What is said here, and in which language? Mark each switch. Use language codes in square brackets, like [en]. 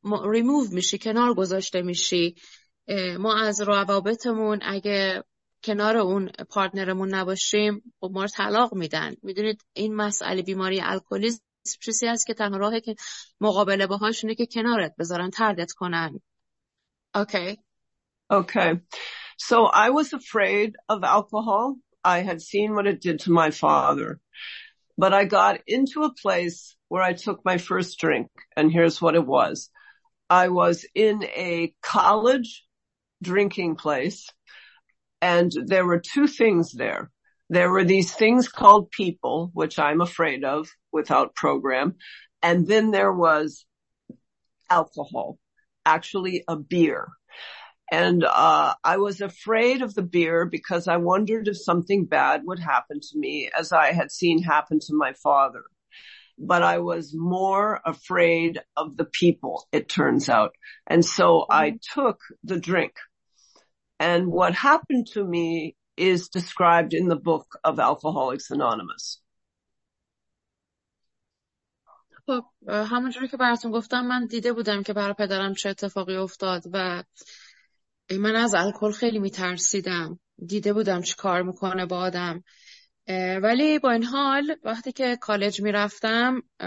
[fa] ریموو میشی کنار گذاشته میشی ما از روابطمون اگه کنار اون پارتنرمون نباشیم خب ما رو طلاق میدن میدونید این مسئله بیماری الکلیسم چیزی هست که تنها راهی که مقابله باهاش اینه که کنارت بذارن تردت کنن اوکی [en] So I was afraid of alcohol. I had seen what it did to my father. But I got into a place where I took my first drink, and here's what it was. I was in a college drinking place, and there were two things there. There were these things called people, which I'm afraid of without program, and then there was alcohol, actually a beer. And I was afraid of the beer because I wondered if something bad would happen to me, as I had seen happen to my father. But I was more afraid of the people, it turns out. And so I took the drink. And what happened to me is described in the book of Alcoholics Anonymous. [fa] خب همونجوری که براتون گفتم من دیده بودم که برای پدرم چه اتفاقی افتاد و من از الکل خیلی میترسیدم دیده بودم چه کار میکنه با آدم ولی با این حال وقتی که کالج میرفتم